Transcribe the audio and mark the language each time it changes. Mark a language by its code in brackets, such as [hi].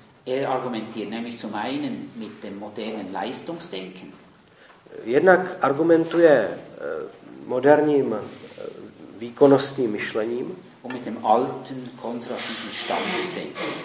[de] Er argumentiert nämlich zum einen mit dem modernen Leistungsdenken. [cs] Jednak argumentuje moderním výkonnostním myšlením. [de] Und mit dem alten konservativen Standesdenken.